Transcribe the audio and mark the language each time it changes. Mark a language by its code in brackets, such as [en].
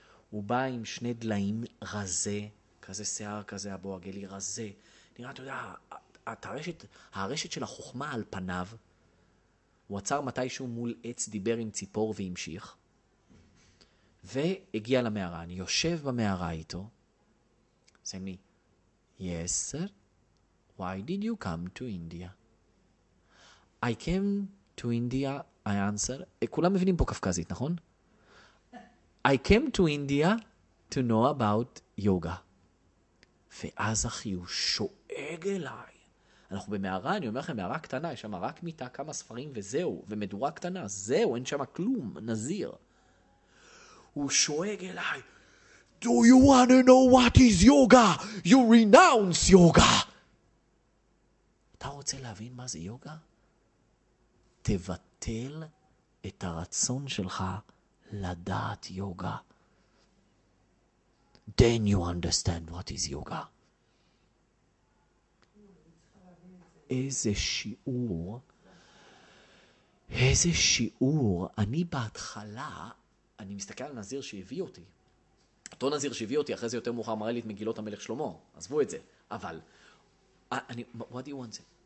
[he] הוא בא עם שני דליים רזה, כזה שיער כזה, הבוע גלי רזה. נראה, אתה יודע, הרשת של החוכמה על פניו, הוא עצר מתישהו מול עץ, דיבר עם ציפור והמשיך, והגיע למערה. אני יושב במערה איתו, זה מי? [en] Yes, sir. Why did you come to India? I came to India, I answer. [he] כולם מבינים פה קפקזית, נכון? [en] I came to India to know about yoga. [he] ואז אחי, הוא שואג אליי. אנחנו במערה, אני אומר לכם, מערה קטנה, יש שם רק מיטה, כמה ספרים וזהו, ומדורה קטנה, זהו, אין שם כלום, נזיר. הוא שואג אליי. [en] Do you want to know what is yoga? You renounce yoga. [he] אתה רוצה להבין מה זה יוגה? תבטל את הרצון שלך לדעת יוגה. [en] Then you understand what is yoga. [he] איזה שיעור, איזה שיעור. אני בהתחלה, אני מסתכל על נזיר שהביא אותי. אותו נזיר שהביא אותי, אחרי זה יותר מאוחר מראה לי את מגילות המלך שלמה. עזבו את זה. אבל, אני, [en] what do you want?